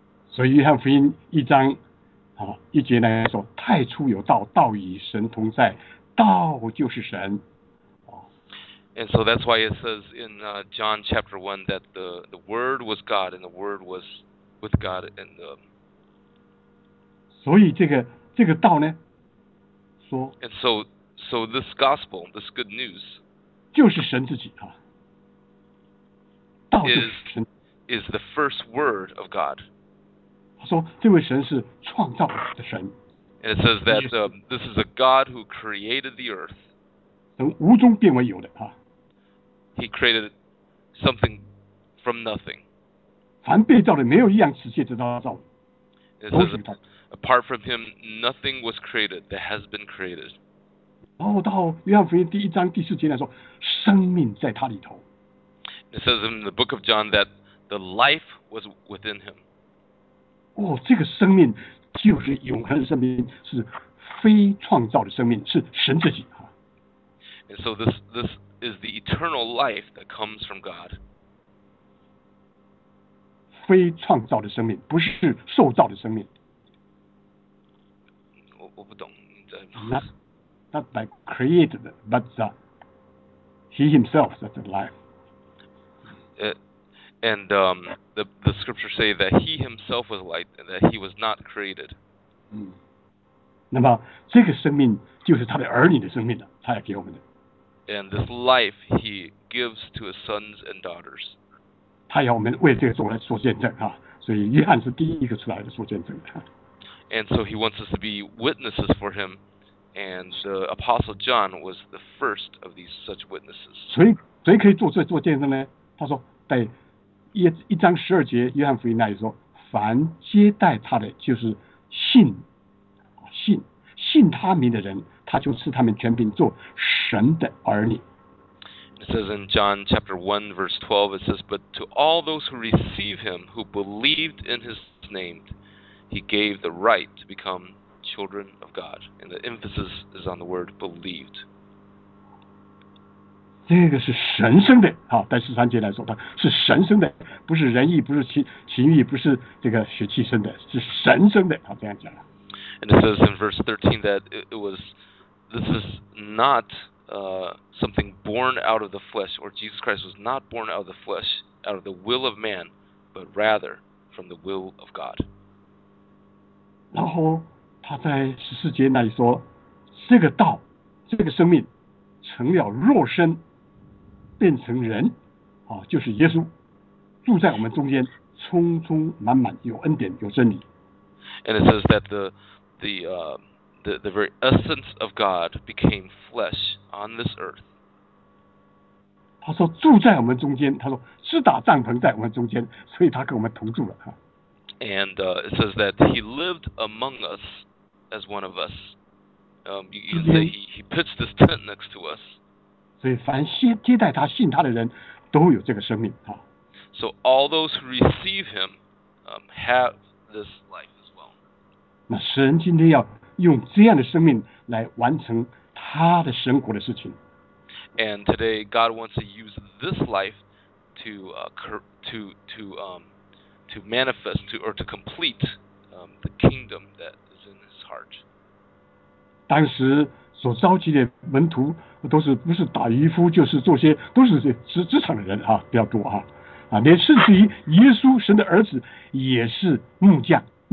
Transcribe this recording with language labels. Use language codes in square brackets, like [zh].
[zh] 所以约翰福音一章一节呢说，太初有道，道与神同在，道就是神。 [en] And so that's why it says in John chapter 1 that the word was God and the word was with God and the [zh] 所以这个道呢，说 [en] ，and so this gospel, this good news, [zh] 就是神自己啊，道就是神 [en] is, is the first word of God. [zh] 他说这位神是创造的神。 [en] And it says that this is a God who created the earth. [zh] 从无中变为有的。 [en] He created something from nothing. [zh] 凡被造的没有一样实现得到造。 [en] It says apart from him, nothing was created that has been created. [zh] 然后到约翰福音第一章第四节来说，生命在他里头。 [en] It says in the book of John that the life was within him. [zh] 哦，这个生命就是永恒的生命，是非创造的生命，是神自己。 [en] And so this is the eternal life that comes from God. [zh] 非创造的生命，不是受造的生命。我不懂你在。 [en] Not by created, but he himself that's alive. And the scriptures say that he himself was light, and that he was not created. [zh] 那么这个生命就是他的儿女的生命了，他要给我们的。 [en] And this life he gives to his sons and daughters. [zh] 他要我们为这个做来做见证啊，所以约翰是第一个出来的做见证的。 [en] And so he wants us to be witnesses for him, and the apostle John was the first of these such witnesses. [zh] 谁可以做这做见证呢？他说在一章十二节约翰福音那里说，凡接待他的就是信他名的人，他就赐他们权柄做神的儿女。 [en] It says in John chapter 1 verse 12, it says, but to all those who receive him, who believed in his name, he gave the right to become children of God. And the emphasis is on the word believed. [zh] 这个是神生的，好，在十三节来说，它是神生的，不是人意，不是情欲，不是这个血气生的，是神生的，好，这样讲了。 [en] And it says in verse 13 that it was, this is not something born out of the flesh, or Jesus Christ was not born out of the flesh, out of the will of man, but rather from the will of God. [zh] 然后他在十四节那里说，这个道，这个生命成了肉身，变成人，啊，就是耶稣，住在我们中间，充充满满，有恩典，有真理。 [en] And it says that the very essence of God became flesh on this earth. [zh] 他说住在我们中间，他说施打帐篷在我们中间，所以他跟我们同住了哈。 [en] And it says that he lived among us as one of us. You can say he pitched this tent next to us. [zh] 所以凡接待他信他的人都有这个生命哈。 [en] So all those who receive him have this life. [zh] 那神今天要用这样的生命来完成他的神国的事情。 [en] And today God wants to use this life to manifest to or to complete the kingdom that is in His heart. [zh] 当时所召集的门徒都是不是打渔夫，就是做些都是职场的人啊，比较多啊，啊，连甚至于耶稣神的儿子也是木匠。